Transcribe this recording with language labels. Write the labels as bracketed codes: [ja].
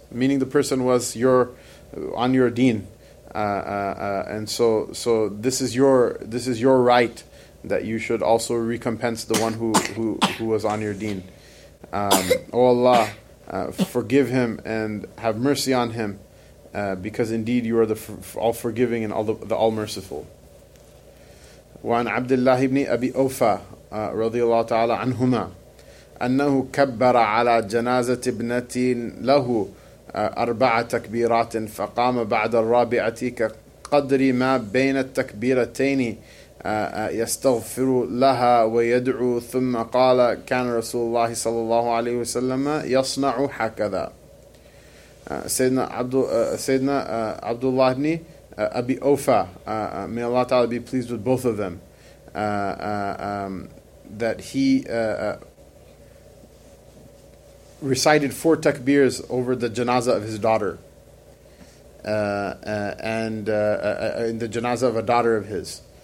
[en] Meaning the person was your on your deen. And so this is your right that you should also recompense the one who was on your deen. O Allah, forgive him and have mercy on him, because indeed you are the all forgiving and the all merciful. [ar] وعن عبد الله بن أبي أوفى رضي الله تعالى عنهما أنه كبر على جنازة ابنتي له أربع تكبيرات فقام بعد الرابعة كقدر ما بين التكبيرتين يستغفر لها ويدعو ثم قال كان رسول الله صلى الله عليه وسلم يصنع هكذا. [en] سيدنا عبد الله بن أبي أوفى, may Allah Ta'ala be pleased with both of them, that he recited four takbirs over the janazah of his daughter, in the janazah of a daughter of his.